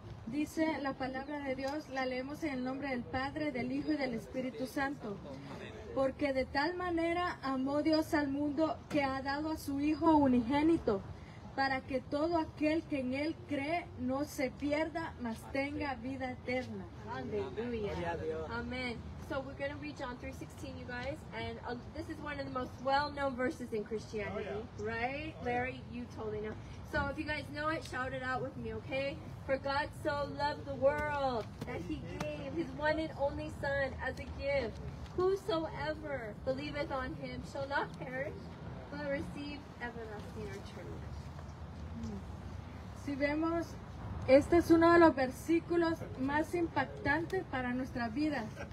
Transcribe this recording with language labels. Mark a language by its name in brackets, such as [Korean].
[Spanish] Dice la palabra de Dios, la leemos en el nombre del Padre, del Hijo y del Espíritu Santo. Porque de tal manera amó Dios al mundo que ha dado a su Hijo unigénito, para que todo aquel que en Él cree no se pierda, mas tenga vida eterna. Aleluya. Amén. [English] So we're going to read John 3:16, you guys, and this is one of the most well-known verses in Christianity, right? Larry, you totally know. So if you guys know it, shout it out with me, okay? For God so loved the world that He gave His one and only Son as a gift. Whosoever believeth on Him shall not perish, but receive everlasting eternal life. [Spanish] Si vemos, este es uno de los versículos más impactantes para nuestras vidas.